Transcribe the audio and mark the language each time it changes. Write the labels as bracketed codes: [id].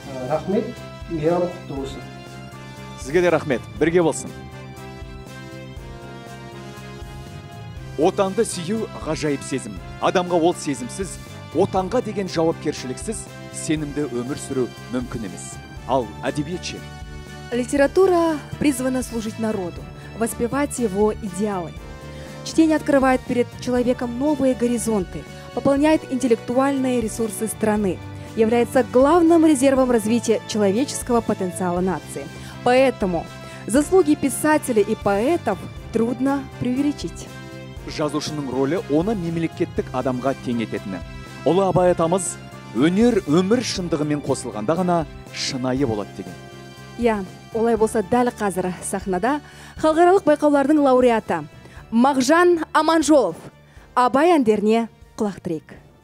[kk] Рахмет, мейрам құтты болсын. Сізге де рахмет, бірге болсын. Отанды сүйу ғажайып сезім. Адамға ол сезімсіз, отанға деген жауапкершіліксіз сенімді өмір сүру мүмкін емес. Ал әдебиетші? [ru] Литература призвана служить народу, воспевать его идеалы. Чтение открывает перед человеком новые горизонты, пополняет интеллектуальные ресурсы страны, является главным резервом развития человеческого потенциала нации. Поэтому заслуги писателей и поэтов трудно преувеличить. [kk] Жазушының ролі оны мемлекеттік адамға теңететіні. Ұлы Абай атамыз өнер өмір шындығымен қосылғанда ғана шынайы болады деген. Иә, олай болса дәл қазір сахнада халықаралық байқаулардың лауреаты Мағжан Аманжолов Абай әндеріне құлақ түрейік.